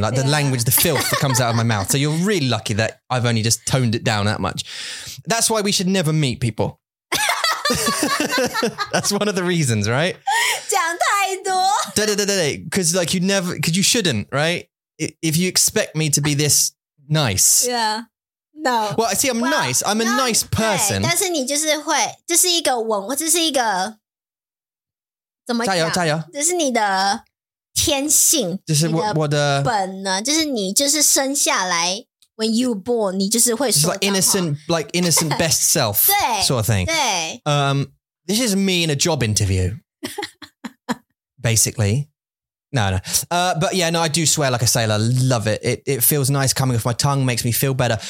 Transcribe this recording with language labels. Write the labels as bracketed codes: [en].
[en] Like the language, the filth that comes out of my mouth. So you're really lucky that I've only just toned it down that much. That's why we should never meet people. That's one of the reasons, right? [zh] 讲太多. [en] Because like you never, because you shouldn't, right? If you expect me to be this nice. Yeah. No. Well, see, I'm nice. I'm a nice person. [zh] 但是你就是会,这是一个文,这是一个,怎么讲?加油,加油。这是你的天性。这是我的本能,就是你就是生下来。 [en] When you were born, [zh] 你就是会说的。 [en] It's like innocent best self [zh] 对, [en] sort of thing. [zh] 对。 [en] This is me in a job interview, basically. No, no. But yeah, no, I do swear like a sailor. Love it. It feels nice coming off my tongue, makes me feel better.